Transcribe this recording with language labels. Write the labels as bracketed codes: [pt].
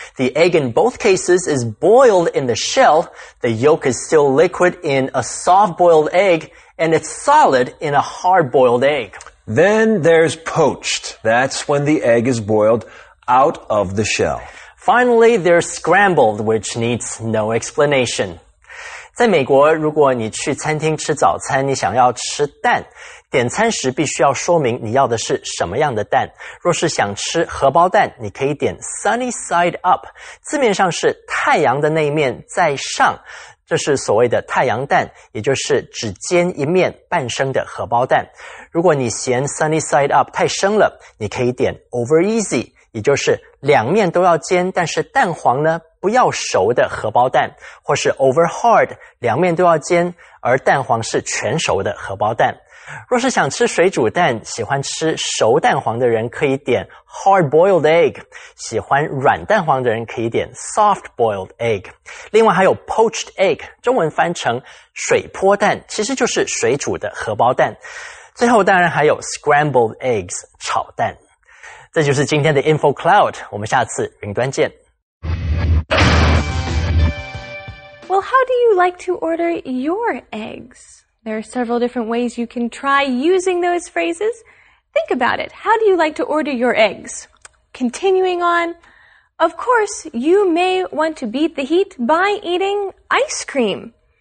[en] The egg in both cases is boiled in the shell, the yolk is still liquid in a soft-boiled egg, and it's solid in a hard-boiled egg. Then there's poached. That's when the egg is boiled out of the shell. Finally, there's scrambled, which needs no explanation. [zh] 在美国，如果你去餐厅吃早餐，你想要吃蛋，点餐时必须要说明你要的是什么样的蛋。若是想吃荷包蛋，你可以点 [en] sunny side up， [zh] 字面上是太阳的那一面在上。这是所谓的太阳蛋，也就是只煎一面半生的荷包蛋。如果你嫌 [en] sunny side up [zh] 太生了，你可以点 [en] over easy， [zh] 也就是两面都要煎，但是蛋黄呢不要熟的荷包蛋，或是 [en] over hard， [zh] 两面都要煎，而蛋黄是全熟的荷包蛋。若是想吃水煮蛋，喜欢吃熟蛋黄的人可以点 [en] hard boiled egg， [zh] 喜欢软蛋黄的人可以点 [en] soft boiled egg。 [zh] 另外还有 [en] poached egg， [zh] 中文翻成水泼蛋，其实就是水煮的荷包蛋。最后当然还有 [en] scrambled eggs， [zh] 炒蛋。这就是今天的 Info Cloud， 我们下次云端见。 [en] Well, how do you like to order your eggs? There are several different ways you can try using those phrases. Think about it. How do you like to order your eggs? Continuing on, of course, you may want to beat the heat by eating ice cream.